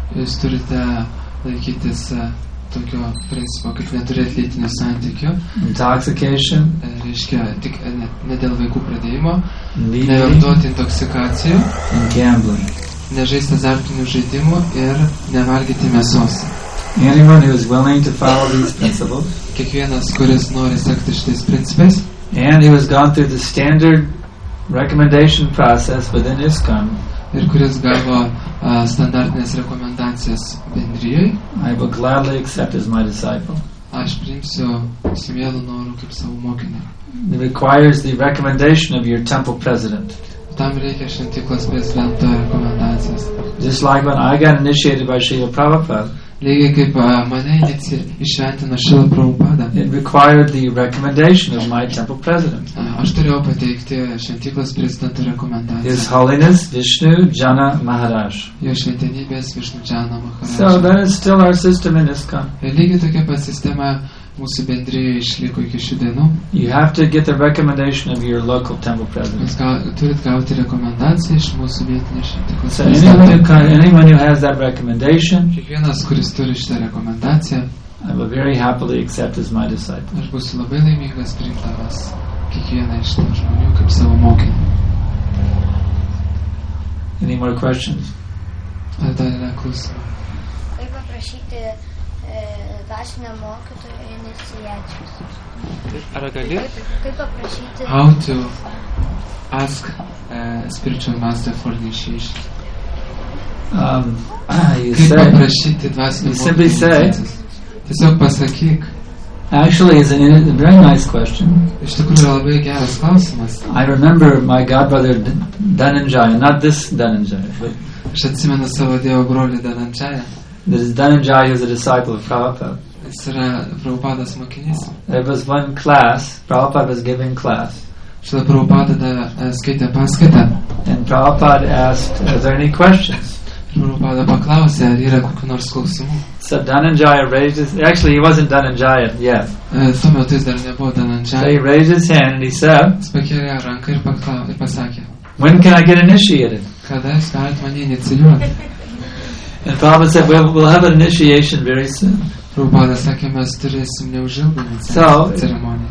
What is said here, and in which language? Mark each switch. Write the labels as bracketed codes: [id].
[lt] Jūs turite laikytis tokio principo, kaip neturėti lytinio santykio. [en] Intoxication. [lt] Reiškia, tik ne dėl vaikų pradėjimo. Nevartoti intoksikacijų. [en] And gambling. [lt] Nežaisti azartinių žaidimų ir nevalgyti mėsos. [en] Anyone who is willing to follow these principles. [lt] Kiekvienas, kuris nori sekti šitais principais. [en] And who has gone through the standard recommendation process within ISKCON. [lt] Ir kuris gavo standartinės rekomendacijas bendrijai. [en] I will gladly accept as my disciple. [lt] Aš priimsiu su mielu noru kaip savo mokinį. [en] It requires the recommendation of your temple president. [lt] Tam reikia šventyklos prezidento rekomendacijas. [en] Just like when I got initiated by Srila Prabhupada. [lt] Lygiai kaip mane išventino Srila Prabhupada. [en] It required the recommendation of my temple president. [lt] Aš turėjau pateikti šventyklos prezidento rekomendaciją. [en] His Holiness Vishnu Jana Maharaj. [lt] Jo šventenybės Vishnu Jana Maharaj. [en] So that is still our system in ISKCON. [lt] Lygiai tokia pat sistema mūsų bendrėje išliko iki šių dienų. [en] You have to get the recommendation of your local temple president. [lt] Jūs turit gauti rekomendaciją iš mūsų vietinės šventyklos. [en] Anyone who has that recommendation, [lt] kiekvienas, kuris turi šitą rekomendaciją, [en] I will very happily accept as my disciple. [lt] Aš būsiu labai laimingas priimtas kiekvieną iš tų žmonių kaip savo mokinį. [en] Any more questions? [lt] Ar dar yra klausimų? Kaip paprašyti dvasinio mokytojo iniciacijos? Ar gali? Kaip paprašyti? [en] How to ask spiritual master for initiation? You simply say, [lt] tiesiog pasakyk. [en] Actually, it's a very nice question. [lt] Iš tikrųjų, labai geras klausimas. [en] I remember my godbrother Dhananjaya, not this Dhananjaya, but [lt] aš atsimenu savo dievo brolį Dhananjaya. [en] This is Dhananjaya, who is a disciple of Prabhupada. [lt] Jis yra Prabhupada's mokinys. [en] There was one class, Prabhupada was giving class. [lt] Šitą Prabhupada skaitė paskaitą. [en] And Prabhupada asked, are there any questions? [lt] Prabhupada paklausė, ar yra kokių nors klausimų. [en] So Dhananjaya raised his... Actually, he wasn't Dhananjaya yet. [lt] Tuo metu jis dar nebuvo Dhananjaya. [en] So he raised his hand and he said, [lt] jis pakėlė ranką ir pasakė, [en] when can I get initiated? [lt] Kada jūs galite mane inicijuoti? [en] And Prabhupada said, we'll have an initiation very soon. [lt] Prabhupada sakė, mes turėsim neužilgą ceremoniją.